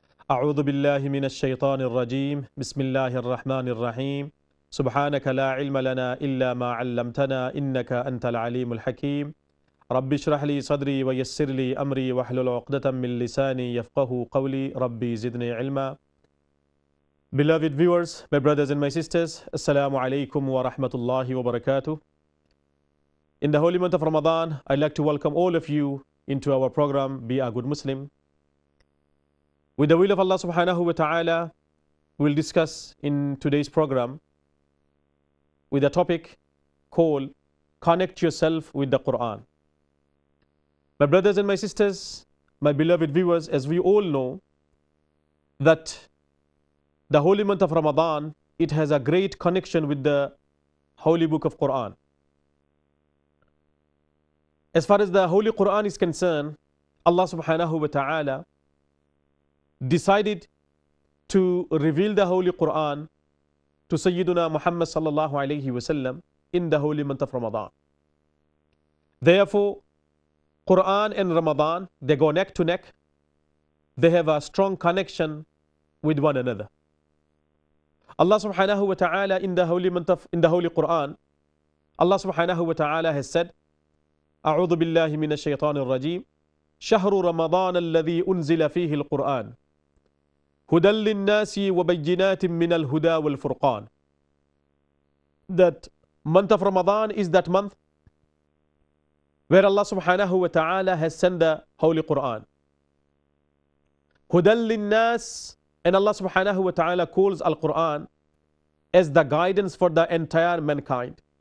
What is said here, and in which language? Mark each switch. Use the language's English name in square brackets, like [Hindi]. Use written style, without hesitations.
[Arabic] أعوذ بالله من الشيطان الرجيم بسم الله الرحمن الرحيم سبحانك لا علم لنا إلا ما علمتنا إنك أنت العليم الحكيم رب اشرح لي صدري ويسر لي أمري واحلل عقدة من لساني يفقه قولي ربي زدني علما [English] Beloved viewers, my brothers and my sisters, Assalamu alaikum wa rahmatullahi wa barakatuh. In the holy month of Ramadan, I'd like to welcome all of you into our program, Be a Good Muslim. With the will of Allah subhanahu wa ta'ala, we'll discuss in today's program with a topic called Connect Yourself with the Quran. My brothers and my sisters, my beloved viewers, as we all know that the holy month of Ramadan, it has a great connection with the holy book of Quran. As far as the holy Quran is concerned, Allah subhanahu wa ta'ala decided to reveal the holy Quran to Sayyiduna Muhammad sallallahu alayhi wa sallam in the holy month of Ramadan. Therefore, Quran and Ramadan, they go neck to neck. They have a strong connection with one another. Allah subhanahu wa ta'ala in the holy Quran, Allah subhanahu wa ta'ala has said, [Arabic] أعوذ بالله من الشيطان الرجيم شهر رمضان الذي أنزل فيه القرآن هدى للناس وبينات من الهدى والفرقان. [English] That month of Ramadan is that month where Allah subhanahu wa ta'ala has sent the holy Quran. [Arabic] هدى للناس, [English] and Allah subhanahu wa ta'ala calls Al-Quran as the guidance for the entire mankind.